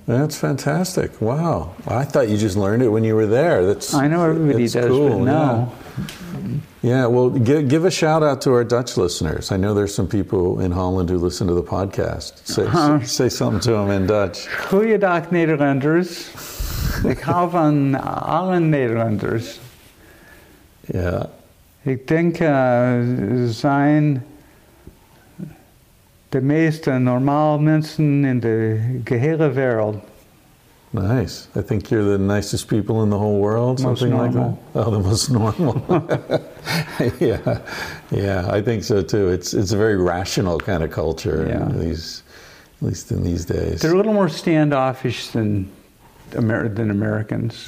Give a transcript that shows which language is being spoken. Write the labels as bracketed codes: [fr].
[en] That's fantastic. Wow. I thought you just learned it when you were there. I know everybody does, cool. But no. Yeah, well, give a shout out to our Dutch listeners. I know there's some people in Holland who listen to the podcast. Say something to them in Dutch. [nl] Goeiedag Nederlanders. Ik hou van alle Nederlanders. [en] Yeah. [nl] Ik denk zijn [en] the most normal [nl] mensen in the gehele wereld. [en] Nice. I think you're the nicest people in the whole world, most something normal. Like that. Oh, the most normal. Yeah. Yeah, I think so too. It's a very rational kind of culture, yeah. At least in these days. They're a little more standoffish than Americans.